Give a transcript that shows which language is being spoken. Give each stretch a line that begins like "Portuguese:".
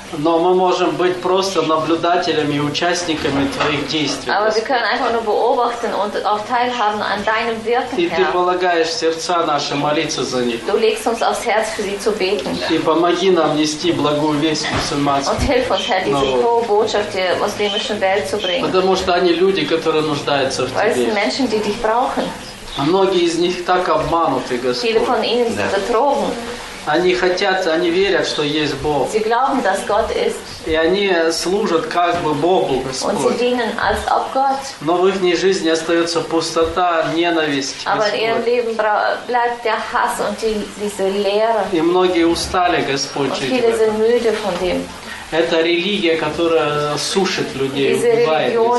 Russian: Но мы можем быть просто наблюдателями и участниками твоих действий.
German: Aber wir können einfach nur beobachten und auch teilhaben an deinem Wirken.
Russian: И ты полагаешь сердца наши молиться за них.
German: Du legst uns aufs Herz für sie zu beten.
Russian: И помоги нам нести благую весть мусульманскую.
German: Und hilf uns, Herr, diese frohe Botschaft der muslimischen Welt zu bringen.
Russian: Потому что они люди, которые нуждаются в тебе.
German: Weil es sind Menschen, die dich brauchen.
Russian: Многие из них так обмануты, Господь.
German: Viele von ihnen sind betrogen.
Russian: Они хотят, они верят, что есть Бог.
German: Sie glauben, dass Gott ist.
Russian: И они служат как бы Богу, Господь.
German: Und sie dienen als ob Gott.
Russian: Но в их жизни остается пустота, ненависть,
German: Aber
Russian: Господь.
German: In ihrem Leben bleibt der Hass und diese Leere.
Russian: И многие устали, Господь, жить.
German: Viele sind müde von dem.
Russian: Это религия, которая сушит людей, убивает.